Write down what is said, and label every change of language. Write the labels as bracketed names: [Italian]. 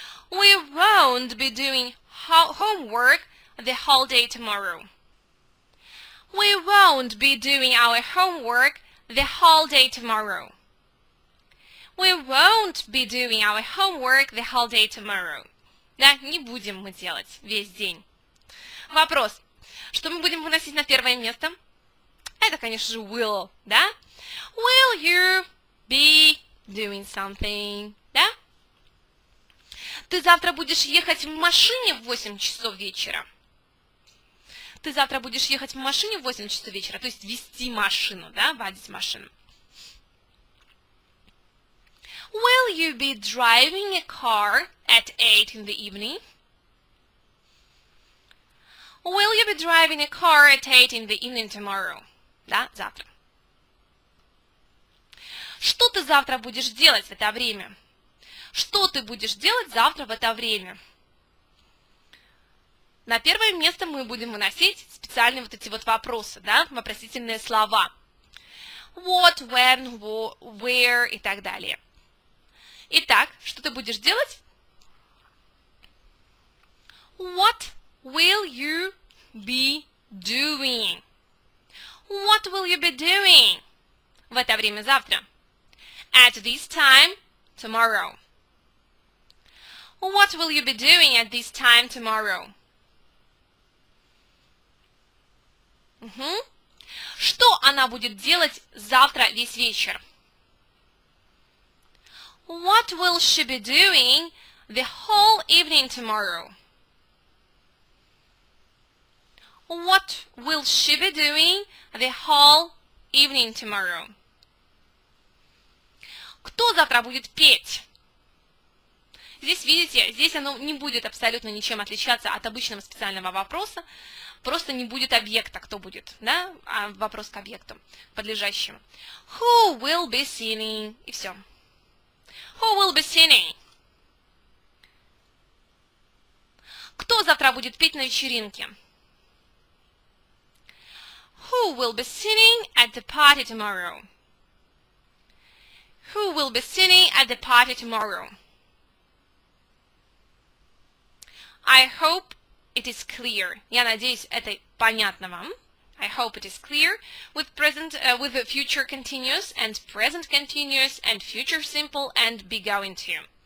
[English] We won't be doing homework the whole day tomorrow. We won't be doing our homework the whole day tomorrow. We won't be doing our homework the whole day tomorrow. [Russian] Да, не будем мы делать весь день. Вопрос. Что мы будем выносить на первое место? Это, конечно же, [English] will, [Russian] да? [English] Will you be doing something? [Russian] Да? Ты завтра будешь ехать в машине в 8 часов вечера. Ты завтра будешь ехать в машине в 8 часов вечера, то есть вести машину, да, водить машину. [English] Will you be driving a car at 8 in the evening? Will you be driving a car at 8 in the evening tomorrow? [Russian] Да, завтра. Что ты завтра будешь делать в это время? Что ты будешь делать завтра в это время? На первое место мы будем выносить специальные вот эти вот вопросы, да, вопросительные слова. [English] What, when, who, where [Russian] и так далее. Итак, что ты будешь делать? [English] What will you be doing? What will you be doing? [Russian] В это время завтра. [English] At this time tomorrow. What will you be doing at this time tomorrow? Угу. [Russian] Что она будет делать завтра весь вечер? [English] What will she be doing the whole evening tomorrow? What will she be doing the whole evening tomorrow? [Russian] Кто завтра будет петь? Здесь, видите, здесь оно не будет абсолютно ничем отличаться от обычного специального вопроса. Просто не будет объекта, кто будет, да? А вопрос к объекту, подлежащему. [English] Who will be singing? [Russian] И все. [English] Who will be singing? [Russian] Кто завтра будет петь на вечеринке? [English] Who will be singing at the party tomorrow? Who will be singing at the party tomorrow? I hope it is clear. [Russian] Я надеюсь, это понятно вам. [English] I hope it is clear with present, with the future continuous and present continuous and future simple and be going to.